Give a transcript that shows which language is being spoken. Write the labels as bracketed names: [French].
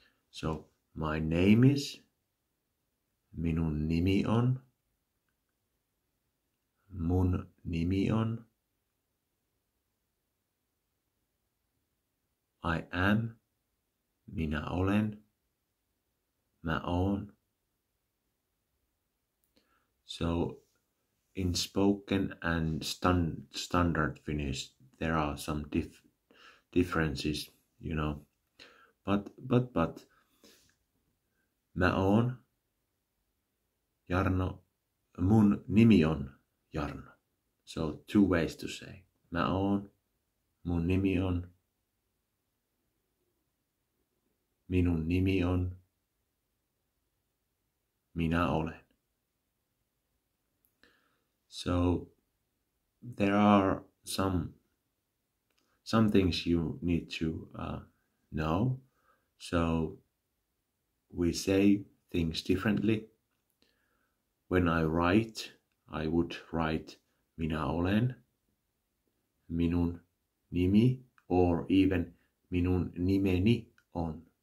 [English] So, my name is, [Finnish] minun nimi on, mun nimi on, [English] I am, [Finnish] minä olen, mä oon. [English] So, in spoken and standard Finnish, there are some differences, you know. But, [Finnish] mä oon Jarno, mun nimi on Jarno. [English] So, two ways to say. [Finnish] Mä oon, mun nimi on, minun nimi on, minä olen. [English] So there are some things you need to know. So we say things differently. When I write, I would write [Finnish] minä olen, minun nimi, [English] or even [Finnish] minun nimeni on.